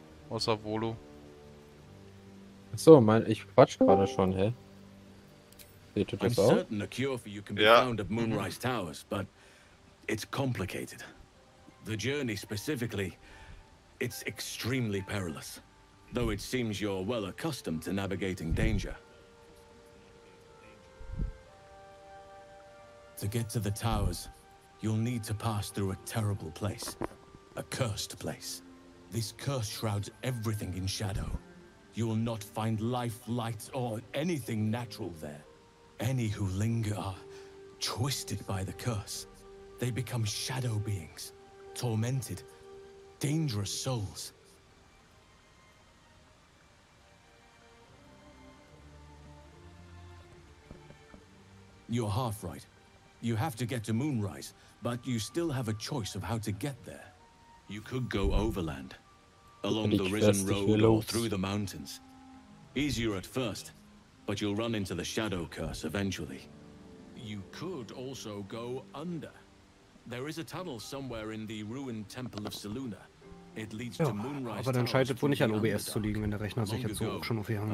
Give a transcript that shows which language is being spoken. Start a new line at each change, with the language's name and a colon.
German: Außer Volo. Achso, ich quatsch gerade schon, hä? Seht ihr das auch? Ich bin sicher, eine Cure für euch kann man auf den Moonrise Towers finden, aber es ist kompliziert. Die Journey spezifisch ist extrem gefährlich.
English: Though it seems you're well accustomed to navigating danger. To get to the towers, you'll need to pass through a terrible place. A cursed place. This curse shrouds everything in shadow. You will not find life, light, or anything natural there. Any who linger are twisted by the curse. They become shadow beings, tormented, dangerous souls. You're half right. You have to get to Moonrise, but you still have a choice of how to get there. You could go overland, along the Risen Road or through the mountains. Easier at first, but you'll run into the Shadow Curse eventually. You could also go under. There is a tunnel somewhere in the ruined Temple of Saluna. It leads to Moonrise.
German: Aber dann scheitert wohl nicht an OBS zu liegen, wenn der Rechner sich jetzt so schon auf die Hand